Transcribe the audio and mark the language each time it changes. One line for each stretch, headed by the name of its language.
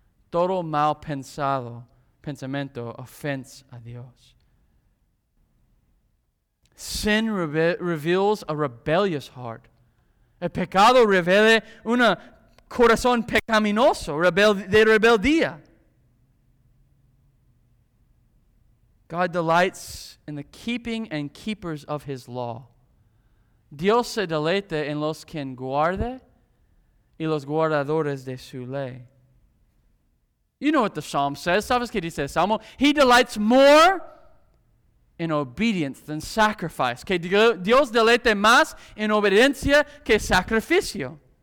Spanish: Todo mal pensado, pensamiento, offense a Dios.
English: Sin reveals a rebellious heart.
Spanish: El pecado revela un corazón pecaminoso, de rebeldía.
English: God delights in the keeping and keepers of his law.
Spanish: Dios se deleita en los quien guarda y los guardadores de su ley.
English: You know what the psalm says.
Spanish: ¿Sabes qué dice el salmo?
English: He delights more in obedience than sacrifice.
Spanish: Que Dios deleite más en obediencia que sacrificio.